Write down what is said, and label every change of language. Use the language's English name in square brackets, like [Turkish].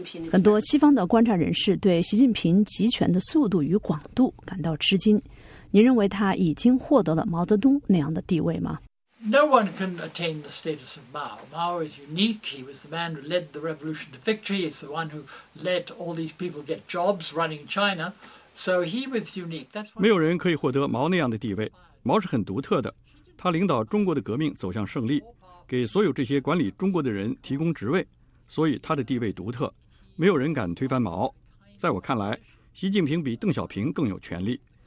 [Chinese] 很多西方的观察人士对习近平集权的速度与广度感到吃惊。您认为他已经获得了毛泽东那样的地位吗？ [English] No one can attain the status of Mao. Mao is unique. He was the man who led the revolution to victory. He's the one who let all these people get jobs running China. So he was unique. [Chinese] 没有人可以获得毛那样的地位。毛是很独特的，他领导中国的革命走向胜利。给所有这些管理中国的人提供职位，所以他的地位独特，没有人敢推翻毛。在我看来，习近平比邓小平更有权力，